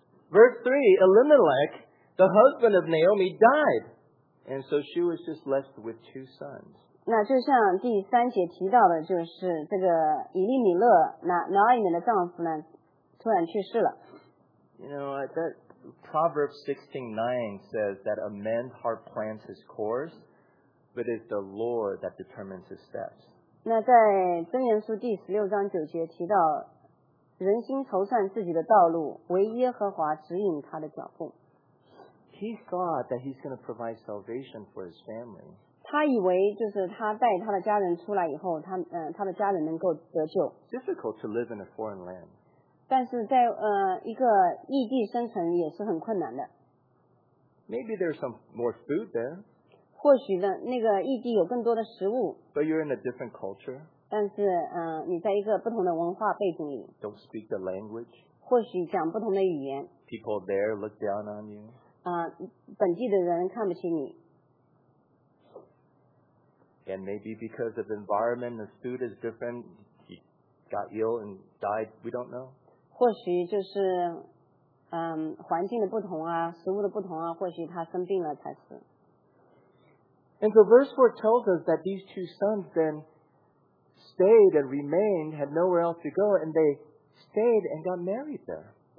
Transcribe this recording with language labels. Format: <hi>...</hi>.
<en>Verse 3, Elimelech, the husband of Naomi, died. And so she was just left with two sons.</en> <zh>那就像第三节提到的就是这个以利米勒,拿俄米的丈夫呢,突然去世了。</zh> <en>You know, that Proverbs 16:9 says that a man's heart plans his course, but it's the Lord that determines his steps.</en> <zh>那在箴言书第16章9节提到, 人心筹算自己的道路, 唯耶和华指引他的脚步。</zh> <en>He thought that he's going to provide salvation for his family.</en> <zh>他以为就是他带他的家人出来以后, 他的家人能够得救。</zh> <en>Difficult to live in a foreign land.</en> <zh>但是在, 一个异地生存也是很困难的。</zh> <en>Maybe there's some more food there.</en> <zh>或许呢,那个异地有更多的食物,</zh> <en>but you're in a different culture.</en> <zh>但是, 你在一个不同的文化背景里,</zh> <en>don't speak the language.</en> <zh>或许讲不同的语言,</zh> <en>people there look down on you.</en> <zh>本地的人看不起你。</zh> <en>And maybe because of the environment, the food is different, he got ill and died, we don't know.</en> <zh>或许就是, 环境的不同啊, 食物的不同啊, 或许他生病了才是。</zh> <en>And so verse 4 tells us that these two sons then stayed and remained, had nowhere else to go, and they stayed and got married there.</en>